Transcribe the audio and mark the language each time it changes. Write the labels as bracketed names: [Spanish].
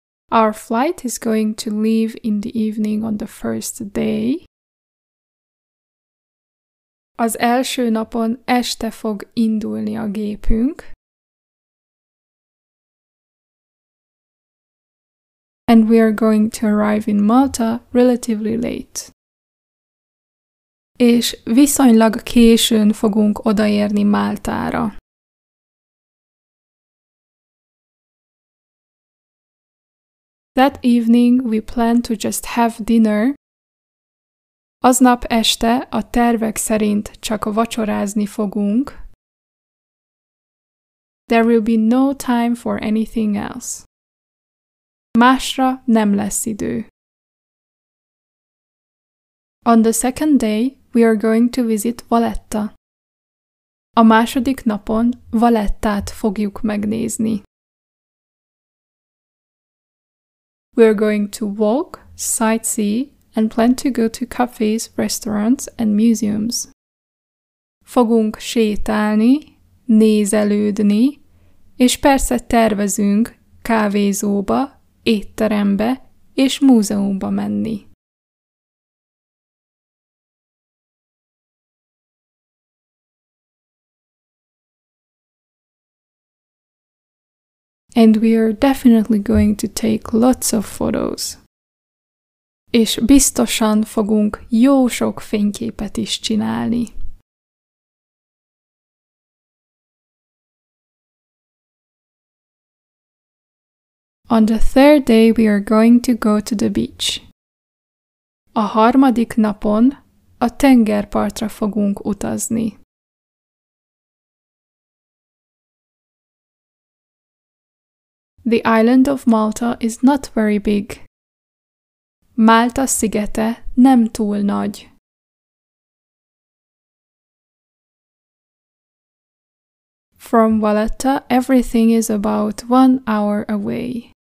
[English] Our flight is going to leave in the evening on the first day. [Hungarian] Az első napon este fog indulni a gépünk. [English] And we are going to arrive in Malta relatively late. [Hungarian] És viszonylag későn fogunk odaérni Máltára. [English] That evening we plan to just have dinner. [Hungarian] Aznap este a tervek szerint csak vacsorázni fogunk. [English] There will be no time for anything else. [Hungarian] Másra nem lesz idő. [English] On the second day we are going to visit Valletta. [Hungarian] A második napon Valettát fogjuk megnézni. [English] We are going to walk, sightsee, and plan to go to cafes, restaurants, and museums. [Hungarian] Fogunk sétálni, nézelődni, és persze tervezünk kávézóba, étterembe és múzeumba menni. [English] And we are definitely going to take lots of photos. [Hungarian] És biztosan fogunk jó sok fényképet is csinálni. [English] On the third day we are going to go to the beach. [Hungarian] A harmadik napon a tengerpartra fogunk utazni. [English] The island of Malta is not very big. [Hungarian] Málta szigete nem túl nagy. [English] From Valletta, everything is about 1 hour away.